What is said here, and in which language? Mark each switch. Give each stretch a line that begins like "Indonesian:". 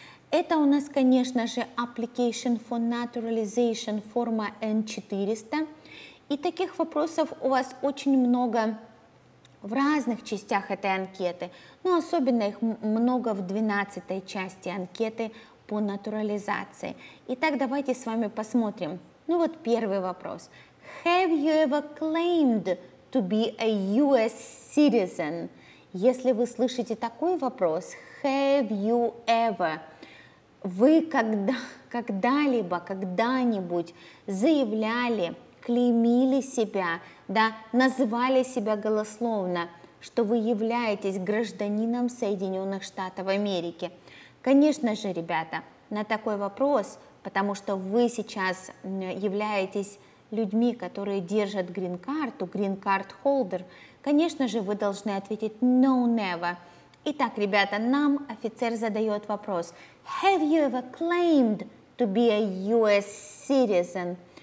Russian: Это у нас, конечно же, Application for Naturalization, форма N-400. И таких вопросов у вас очень много в разных частях этой анкеты. Ну, особенно их много в 12-й части анкеты по натурализации. Итак, давайте с вами посмотрим. Ну, вот первый вопрос.
English: Have you ever claimed to be a US citizen?
Russian: Если вы слышите такой вопрос,
English: have you ever...
Russian: Вы когда-либо, когда-нибудь заявляли, клеймили себя, да, назвали себя голословно, что вы являетесь гражданином Соединенных Штатов Америки? Конечно же, ребята, на такой вопрос, потому что вы сейчас являетесь людьми, которые держат грин-карту, грин-карт-холдер, конечно же, вы должны ответить
English: «no, never».
Russian: Итак, ребята, нам офицер задает вопрос.
English: Have you ever claimed to be a US citizen?